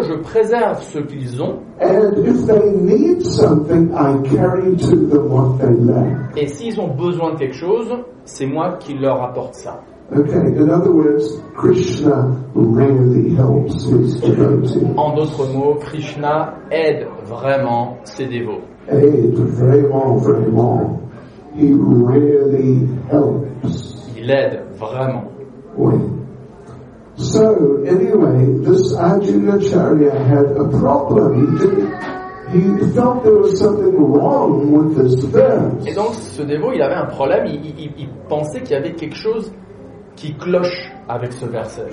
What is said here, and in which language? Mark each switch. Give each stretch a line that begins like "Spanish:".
French: Je préserve ce qu'ils ont. Et s'ils ont besoin de quelque chose, c'est moi qui leur apporte ça.
English: Okay, in other words, Krishna really helps his devotees.
French: En d'autres mots, Krishna aide vraiment ses dévots. Aide vraiment, vraiment.
English: He really helps.
French: Il aide vraiment. Oui.
English: So, anyway, this Arjunacharya had a problem. He felt there was something wrong with this verse.
French: Et donc, ce dévot, il avait un problème. Il pensait qu'il y avait quelque chose qui cloche avec ce verset.